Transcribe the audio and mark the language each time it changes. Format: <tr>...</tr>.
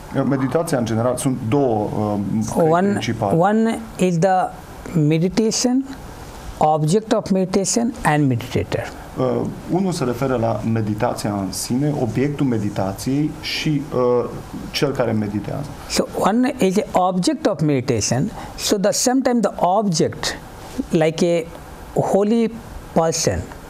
<ro>Meditația în general sunt două principale.</ro> <en>One is the meditation, object of meditation and meditator.</en> <ro>Unul se referă la meditația în sine, obiectul meditației și cel care meditează.</ro> <en>So one is the object of meditation. So the same time the object, like a holy person.</en>